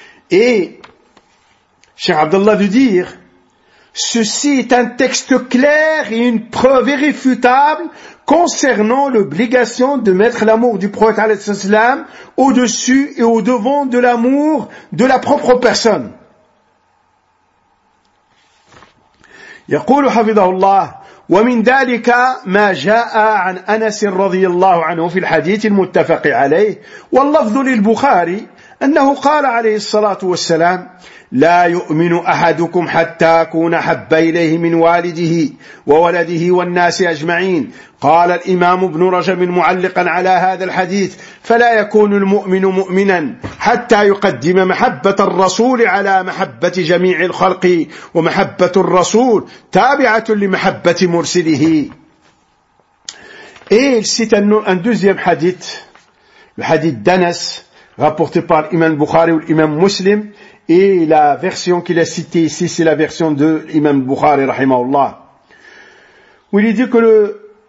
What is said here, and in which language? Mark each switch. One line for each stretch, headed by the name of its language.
French: Et Cheikh Abdallah de dire, Ceci est un texte clair et une preuve irréfutable concernant l'obligation de mettre l'amour du prophète alayhi salam au-dessus et au-devant de l'amour de la propre personne.
Arabic: يقول حفظه الله ومن ذلك ما جاء عن أنس رضي الله عنه في الحديث المتفق عليه واللفظ للبخاري أنه قال عليه الصلاة والسلام لا يؤمن أحدكم حتى أكون أحب إليه من والده وولده والناس أجمعين. قال الإمام ابن رجب معلقا على هذا الحديث فلا يكون المؤمن مؤمنا حتى يقدم محبة الرسول على محبة جميع الخلق ومحبة الرسول تابعة لمحبة مرسله. إيه أن دوزيام حديث الحديث دنس
French: rapporté par l'imam Bukhari ou l'imam Muslim, et la version qu'il a citée ici, c'est la version de l'imam Bukhari, rahimahullah, où il dit que